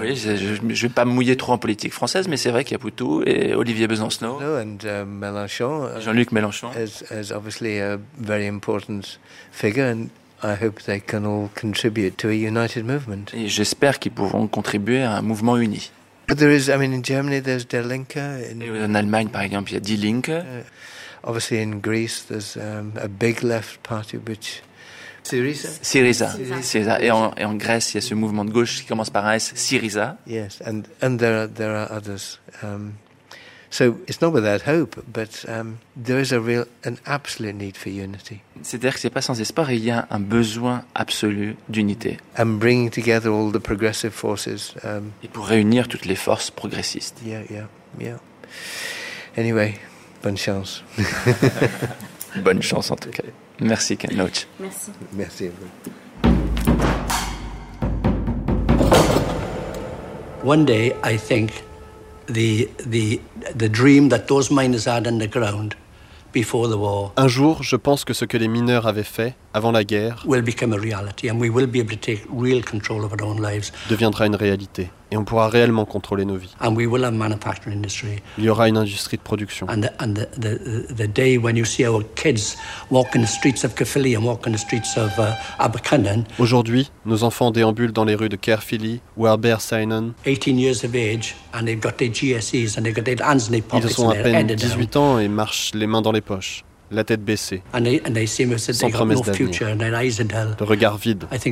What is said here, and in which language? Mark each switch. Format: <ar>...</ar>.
<fr>Oui, je vais pas me mouiller trop en politique française, mais c'est vrai qu'il y a Poutou et Olivier Besancenot.</fr> <en>And Mélenchon. Jean-Luc Mélenchon. Is obviously a very important figure, and I hope they can all contribute to a united movement.</en> <fr>Et j'espère qu'ils pourront contribuer à un mouvement uni.</fr> <en>But there is, I mean, in Germany, there's Die Linke.</en> <fr>En Allemagne, par exemple, il y a Die Linke.</fr> <en>Obviously, in Greece, there's a big left party, which Syriza.</en> <fr>Et en Grèce, il y a ce mouvement de gauche qui commence par un S, Syriza.</fr> <en>Yes, and there are others. So it's not without hope, but there is a real, an absolute need for unity.</en> <fr>C'est-à-dire que c'est pas sans espoir, il y a un besoin absolu d'unité.</fr> <en>And bringing together all the progressive forces.</en> <fr>Et pour réunir toutes les forces progressistes.</fr> <en>Yeah. Anyway.</en> <fr>Bonne chance. Bonne chance en tout cas. Merci Ken Loach. Merci. Merci à vous.</fr> <en>One day I think the dream that those miners had underground before the war.</en> <fr>Un jour, je pense que ce que les mineurs avaient fait avant la guerre</fr> <en>will become a reality and we will be able to take real control of our own lives.</en> <fr>Deviendra une réalité et on pourra réellement contrôler nos vies.</fr> <en>And we will have manufacturing industry.</en> <fr>Il y aura une industrie de production.</fr> <en>And the day when you see our kids walking the streets of Caerphilly and walking the streets of Aberconan.</en> <fr>Aujourd'hui, nos enfants déambulent dans les rues de Caerphilly ou Aberconan.</fr> <en>18 years of age and they've got their GCSEs and they've got their hands in their pockets.</en> <fr>Ils ont à peine 18 ans et marchent les mains dans les poches, la tête baissée, sans promesse d'avenir, le regard vide.</fr>